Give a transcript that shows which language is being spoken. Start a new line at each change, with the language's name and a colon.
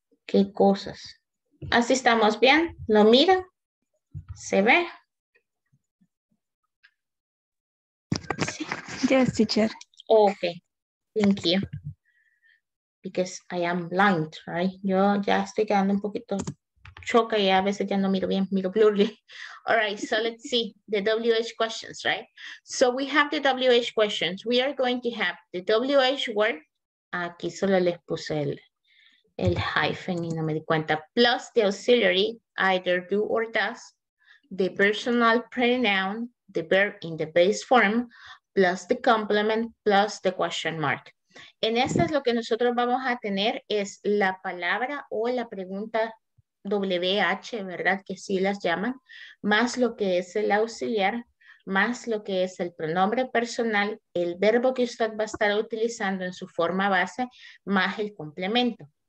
Spanish: ¿Qué cosas? ¿Así estamos bien? ¿Lo miran? ¿Se ve? Sí.
English: Yes, teacher. Ok. Thank you. Because I am blind, right?
Spanish: Yo ya estoy quedando un poquito choca y a veces ya no miro bien, miro blurry.
English: All right, so let's see the WH questions, right? So we have the WH questions. We are going to have the WH word.
Spanish: Aquí solo les puse el hyphen y no me di cuenta.
English: Plus the auxiliary, either do or does. The personal pronoun, the verb in the base form, plus the complement, plus the question mark.
Spanish: En esta es lo que nosotros vamos a tener es la palabra o la pregunta WH, ¿verdad? Que sí las llaman, más lo que es el auxiliar, más lo que es el pronombre personal, el verbo que usted va a estar utilizando en su forma base, más el complemento.